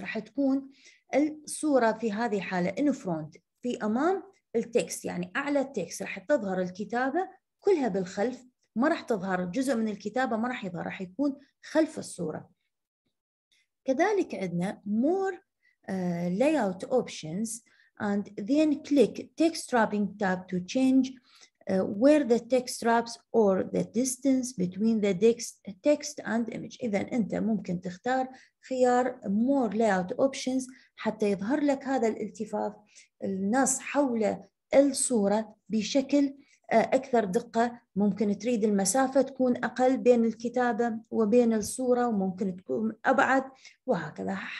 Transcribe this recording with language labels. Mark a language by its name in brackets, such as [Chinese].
[Arabic] راح تكون الصورة في هذه الحالة in front، في أمام التكست، يعني أعلى التكست راح تظهر الكتابة كلها بالخلف، ما راح تظهر جزء من الكتابة، ما راح يظهر، راح يكون خلف الصورة. كذلك عندنا [English] more layout options and then click text wrapping tab to change where the text wraps or the distance between the text and image. [Arabic] إذا أنت ممكن تختار خيار more layout options حتى يظهر لك هذا الالتفاف النص حول الصورة بشكل أكثر دقة. ممكن تريد المسافة تكون أقل بين الكتابة وبين الصورة وممكن تكون أبعد وهكذا.